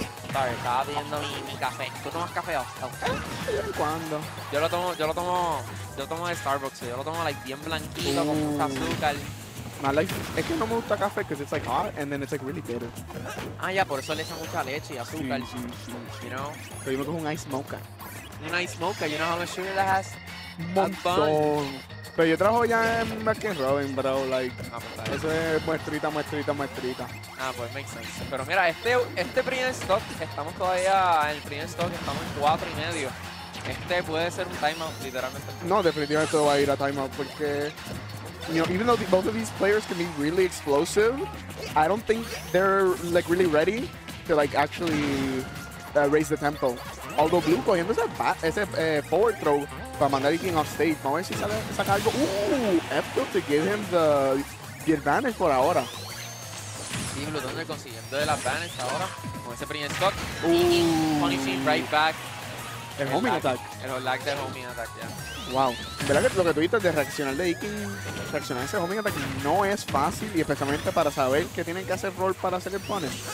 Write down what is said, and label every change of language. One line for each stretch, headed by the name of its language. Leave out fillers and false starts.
Spanish: Sorry, estaba viendo mi café. ¿Tú tomas café o no? ¿Cuándo? Yo lo tomo de Starbucks. Yo lo tomo like bien blanquito. Ooh. Con mucha azúcar.
English: I like,
Spanish: es que no me gusta café
English: because it's like hot and then it's like really bitter.
Spanish: Ah, yeah, por eso le echan mucha leche y azúcar. Sí, sí, sí, sí.
English: You know?
Spanish: Pero yo me cojo un ice mocha.
English: Un ice mocha, you know how much sugar that has?
Spanish: Montón. Pero yo trabajo ya en Baskin Robin, bro, like. Ah, pues, eso es muestrita, muestrita, muestrita. Ah, pues makes sense. Pero mira, este primer stock, estamos todavía en el primer stock, estamos en 4.5. Este puede ser un timeout, literalmente. No, definitivamente va a ir a timeout porque,
English: you know, even though both of these players can be really explosive, I don't think they're like really ready to like actually raise the tempo.
Spanish: Although Blue cogiendo ese forward throw para mandar a King off stage. Vamos a ver si saca algo.
English: Ooh, F throw to give him the advantage
Spanish: por ahora. Sí, Blue Thunder consiguiendo el advantage ahora con ese primer stock. Ooh.
English: Funny feet right back.
Spanish: El homing attack. El lag del homing attack, ya. Yeah. Wow, verdad que lo que tú dices de reaccionar de Iking, reaccionar a ese homing attack no es fácil y especialmente para saber qué tienen que hacer roll para hacer el punish.